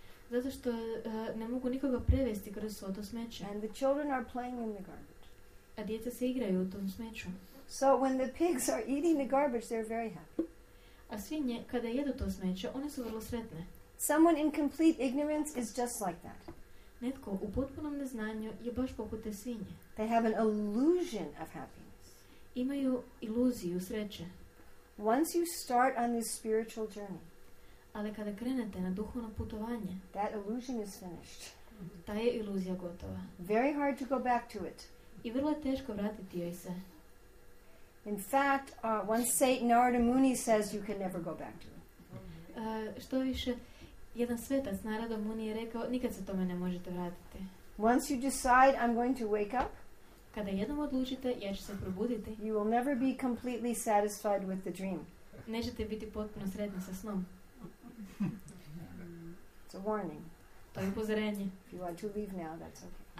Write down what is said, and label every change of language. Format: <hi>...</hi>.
<hr>Zato što ne mogu nikoga prevesti kroz svo to smeće.</hr> <en>And the children are playing in the garbage.</en> <hr>A djeca se igraju u tom smeću.</hr> <en>So when the pigs are eating the garbage, they're very happy.</en> <hr>A svinje, kada jedu to smeće, one su vrlo sretne.</hr> <en>Someone in complete ignorance is just like that.</en> <hr>Netko u potpunom neznanju je baš poput te svinje.</hr> <en>They have an illusion of happiness.</en> <hr>Imaju iluziju sreće.</hr> <en>Once you start on this spiritual journey,</en> <hr>ali kada krenete na duhovno putovanje,</hr> <en>that illusion is finished.</en> <hr>Ta je iluzija gotova.</hr> <en>Very hard to go back to it.</en> <hr>I vrlo je teško vratiti joj se.</hr> <en>In fact, once Satan Narada Muni says you can never go back to it.</en> <hr>Što više, jedan svetac naroda mu nije rekao nikad se tome ne možete vratiti.</hr> <en>Once you decide I'm going to wake up,</en> <hr>kada jednom odlučite ja ću se probuditi,</hr> <en>you will never be completely satisfied with the dream.</en> <hr>Nećete biti potpuno sretni sa snom.</hr> <en>It's a warning.</en> <hr>To je upozorenje.</hr> <en>If you want to leave now, that's okay.</en>